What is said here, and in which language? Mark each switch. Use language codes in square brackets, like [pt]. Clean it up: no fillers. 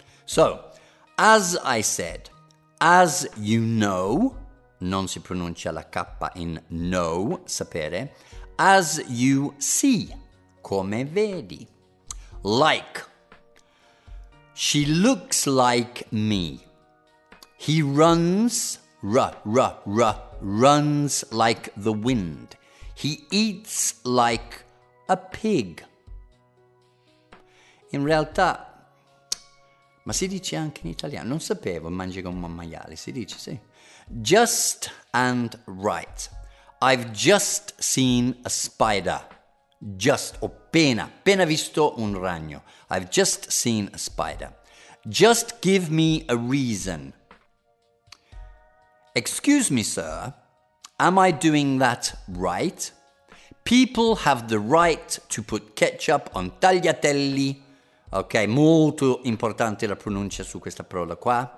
[en] So, as I said, as you know, [it] non si pronuncia la K in know, sapere, [en] as you see, [it] come vedi, [en] like, she looks like me, he runs, runs like the wind, he eats like a pig. [it] In realtà, ma si dice anche in italiano, non sapevo, mangi come un maiale, si dice, sì. [en] Just and right. I've just seen a spider. Just, [it] ho appena visto un ragno. [en] I've just seen a spider. Just give me a reason. Excuse me, sir, am I doing that right? People have the right to put ketchup on tagliatelli. [it] Ok, molto importante la pronuncia su questa parola qua.